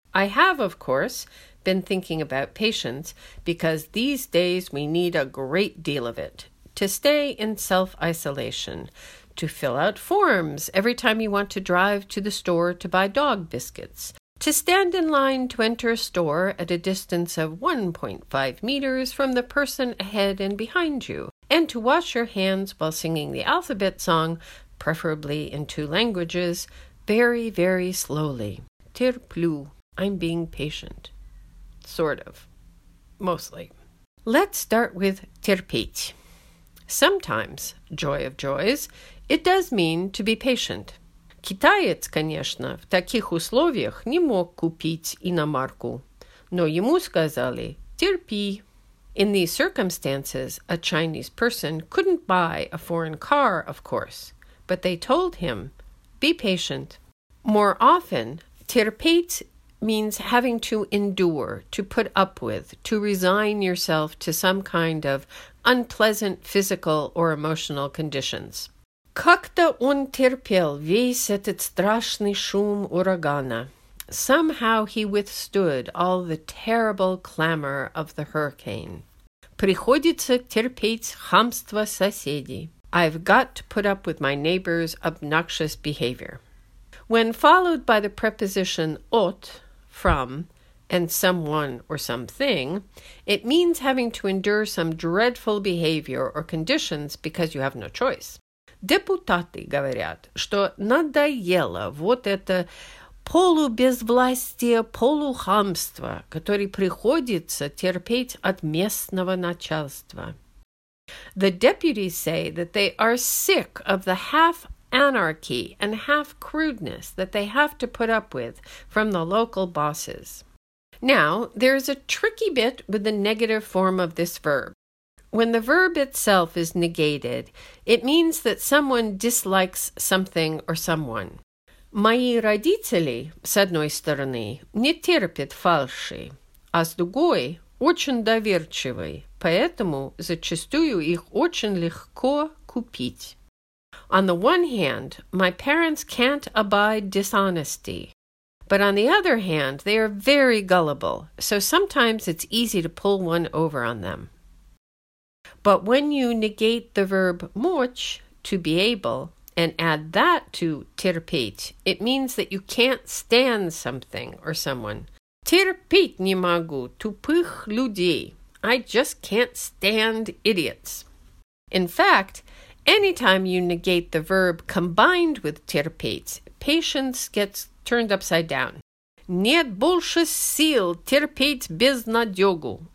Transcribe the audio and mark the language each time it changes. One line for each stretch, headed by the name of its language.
English: I have, of course, been thinking about patience because these days we need a great deal of it to stay in self-isolation, to fill out forms every time you want to drive to the store to buy dog biscuits, to stand in line to enter a store at a distance of 1.5 meters from the person ahead and behind you, and to wash your hands while singing the alphabet song, preferably in two languages, very, very slowly. Terplu. I'm being patient. Sort of. Mostly. Let's start with terpit. Sometimes, joy of joys, it does mean to be patient.
Russian: Китаец, конечно, в таких условиях не мог купить иномарку, но ему сказали терпи.
English: In these circumstances, a Chinese person couldn't buy a foreign car, of course, but they told him, be patient. More often, терпеть means having to endure, to put up with, to resign yourself to some kind of unpleasant physical or emotional conditions.
Russian: Как-то он терпел весь этот страшный шум урагана.
English: Somehow he withstood all the terrible clamor of the hurricane.
Russian: Приходится терпеть хамство соседей.
English: I've got to put up with my neighbor's obnoxious behavior. When followed by the preposition от, from, and someone or something, it means having to endure some dreadful behavior or conditions because you have no choice.
Russian: Депутаты говорят, что надоело вот это полубезвластие, полухамство, которое приходится терпеть от местного начальства.
English: The deputies say that they are sick of the half-anarchy and half-crudeness that they have to put up with from the local bosses. Now, there is a tricky bit with the negative form of this verb. When the verb itself is negated, it means that someone dislikes something or someone.
Russian: Мои родители, с одной стороны, не терпят фальши, а с другой, очень доверчивы, поэтому зачастую их очень легко купить.
English: On the one hand, my parents can't abide dishonesty. But on the other hand, they are very gullible, so sometimes it's easy to pull one over on them. But when you negate the verb мочь, to be able, and add that to терпеть, it means that you can't stand something or someone.
Russian: Терпеть не могу тупых людей.
English: I just can't stand idiots. In fact, anytime you negate the verb combined with терпеть, patience gets turned upside down.
Russian: Нет больше сил терпеть безнадёгу.